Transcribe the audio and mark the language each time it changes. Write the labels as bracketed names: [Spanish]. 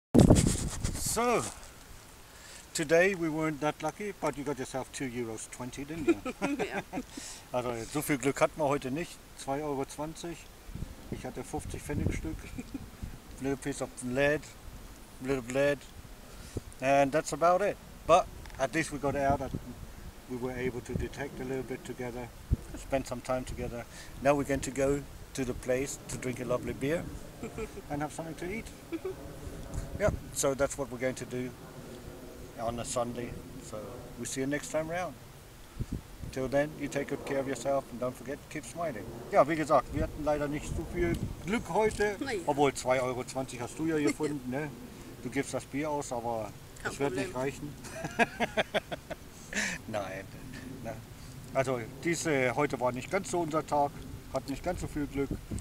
[English] So, today we weren't that lucky, but you got yourself €2.20, didn't you? Yeah. [German] Also, so viel Glück hatten wir heute nicht. [English] 2,20 €. [German] Ich hatte 50 Pfennig Stück. [English] Little piece of lead. Little lead. And that's about it. But at least we got out. We were able to detect a little bit together. Spend some time together. Now we're going to go to the place to drink a lovely beer and have something to eat. Yeah, so that's what we're going to do on a Sunday. So we'll see you next time around. Till then, you take good care of yourself and don't forget, keep smiling. [German] Ja, wie gesagt, wir hatten leider nicht so viel Glück heute. Nein. Obwohl, 2,20 € hast du ja gefunden. Ne? Du gibst das Bier aus, aber es wird nicht reichen. Nein. Ne? Also, heute war nicht ganz so unser Tag. Hatten nicht ganz so viel Glück.